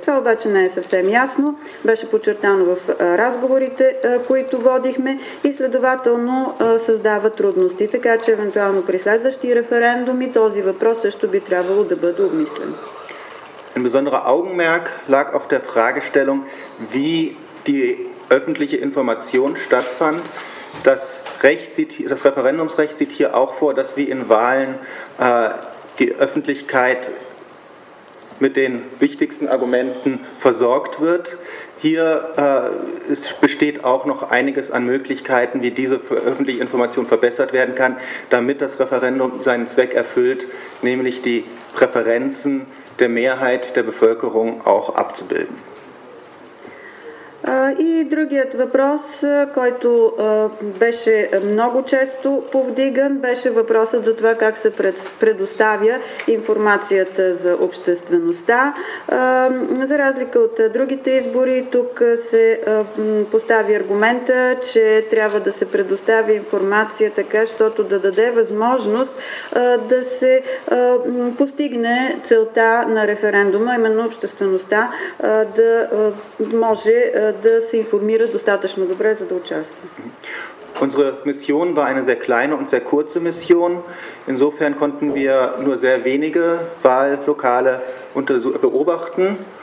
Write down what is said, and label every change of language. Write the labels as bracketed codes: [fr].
[bg] Това обаче не е съвсем ясно. Беше подчертано в разговорите, които водихме, и следователно създава трудности. Така че евентуално при следващи референдуми този въпрос също би трябвало да бъде обмислен. [de] Ein besonderer Augenmerk lag auf der Fragestellung, wie die öffentliche Information stattfand. Das Referendumsrecht sieht hier auch vor, dass wie in Wahlen die Öffentlichkeit mit den wichtigsten Argumenten versorgt wird. Hier besteht auch noch einiges an Möglichkeiten, wie diese öffentliche Information verbessert werden kann, damit das Referendum seinen Zweck erfüllt, nämlich die Präferenzen der Mehrheit der Bevölkerung auch abzubilden. [bg] И другият въпрос, който беше много често повдиган, беше въпросът за това как се предоставя информацията за обществеността. За разлика от другите избори, тук се постави аргумента, че трябва да се предоставя информация така, щото да даде възможност да се постигне целта на референдума, именно обществеността да може да се информира достатъчно добре, за да участва. [de] Unsere Mission war eine sehr kleine und sehr kurze Mission. Insofern konnten wir nur sehr wenige Wahllokale beobachten.